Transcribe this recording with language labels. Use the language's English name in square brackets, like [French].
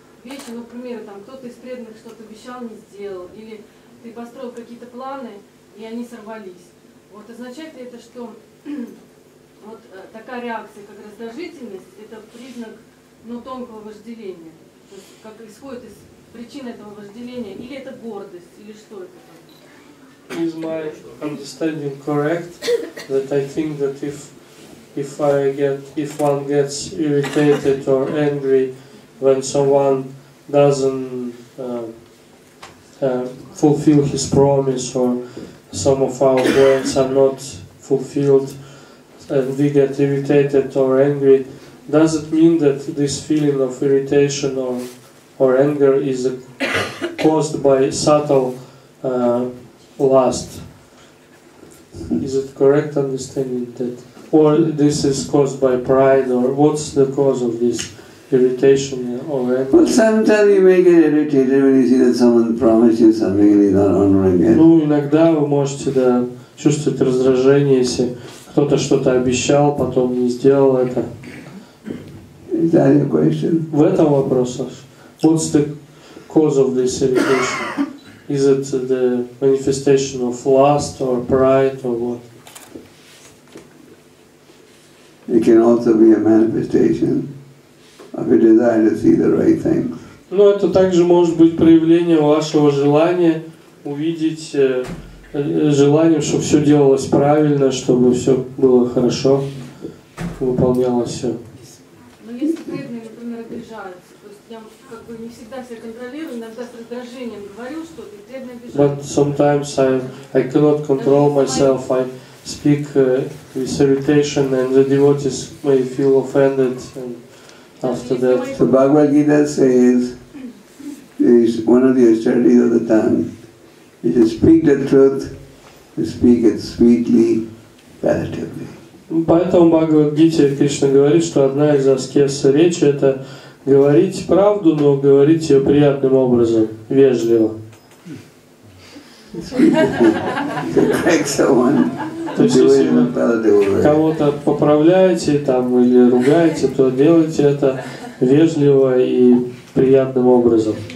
[Russian] вещи, ну, к примеру, там, кто-то из преданных что-то обещал, не сделал, или ты построил какие-то планы, и они сорвались. Вот означает ли это, что вот такая реакция, как раздражительность, это признак, ну, тонкого вожделения? То есть, как исходит из причины этого вожделения? Или это гордость, или что это там? [English] Is my understanding correct that I think that if one gets irritated or angry when someone doesn't fulfill his promise or some of our words are not fulfilled and we get irritated or angry, does it mean that this feeling of irritation or anger is caused by subtle lust? Is it correct understanding that, or this is caused by pride, or what's the cause of this irritation or anger? Well, sometimes you may get irritated when you see that someone promised you something and he's not honoring it. [Russian] Ну, иногда вы можете, да, чувствовать раздражение, если кто-то что-то обещал, потом не сделал это. [English] Is that your question? [Russian] В этом вопросе. [English] What's the cause of this irritation? Is it the manifestation of lust or pride or what? It can also be a manifestation of a desire to see the right things. [Russian] Ну, это также может быть проявление вашего желания увидеть, желанием, чтобы все делалось правильно, чтобы все было хорошо, выполнялось все. Но если преданные, например, обижаются, то есть я как бы не всегда себя контролирую, иногда с раздражением говорю что-то, и преданные обижаются. [English] But sometimes I cannot control myself. Speak with irritation and the devotees may feel offended and after that. So Bhagavad Gita says, is one of the austerities of the tongue. If you speak the truth, you speak it sweetly, palatably. [Russian] Поэтому Бхагавад Гите Кришна говорит, что одна из аскез речи – это говорить правду, но говорить ее приятным образом, вежливо. То есть, если вы кого-то поправляете там, или ругаете, то делайте это вежливо и приятным образом.